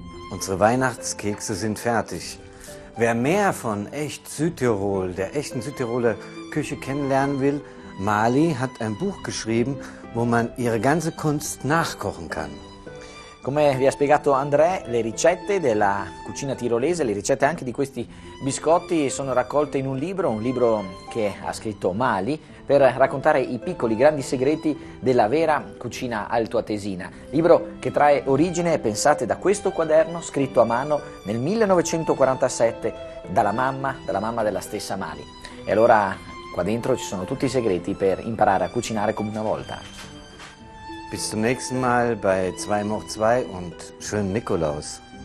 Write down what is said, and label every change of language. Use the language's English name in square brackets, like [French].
[German] Unsere Weihnachtskekse sind fertig. Wer mehr von echt Südtirol, der echten Südtiroler Küche kennenlernen will, Mali hat ein Buch geschrieben, wo man ihre ganze Kunst nachkochen kann. [Italian] Come vi ha spiegato André, le ricette della cucina tirolese, le ricette anche di questi biscotti sono raccolte in un libro che ha scritto Mali, per raccontare i piccoli grandi segreti della vera cucina altoatesina. Libro che trae origine, pensate, da questo quaderno scritto a mano nel 1947 dalla mamma della stessa Mali. E allora qua dentro ci sono tutti i segreti per imparare a cucinare come una volta. [German] Bis zum nächsten Mal bei 2M hoch 2 und schönen Nikolaus.